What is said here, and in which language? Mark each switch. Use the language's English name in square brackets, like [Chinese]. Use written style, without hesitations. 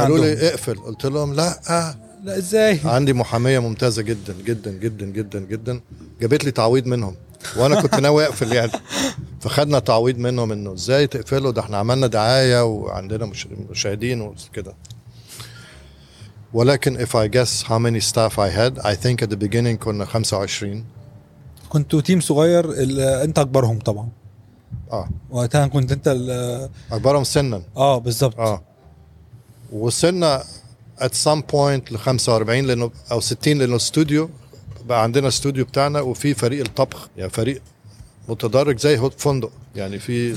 [Arabic] قالوا لي اقفل, قلت لهم لا لا ازاي, عندي محاميه ممتازه جدا جدا جدا جدا جدا, جابت لي تعويض منهم وانا كنت ناوي اقفل يعني, فخدنا تعويض منهم انه ازاي تقفله ده احنا عملنا دعايه وعندنا مشاهدين وكده. ولكن [English] if I guess how many staff I had, I think at the beginning [Arabic] كنا [English] 25. [Arabic] كنتوا تيم صغير انت اكبرهم طبعا. اه وقتها كنت انت اكبرهم سنا. اه بالضبط. اه وصلنا [English] at some point [Arabic] ل 45 لانه او 60, لانه استوديو بقى عندنا استوديو بتاعنا وفي فريق الطبخ يعني فريق متدرج زي فندق يعني في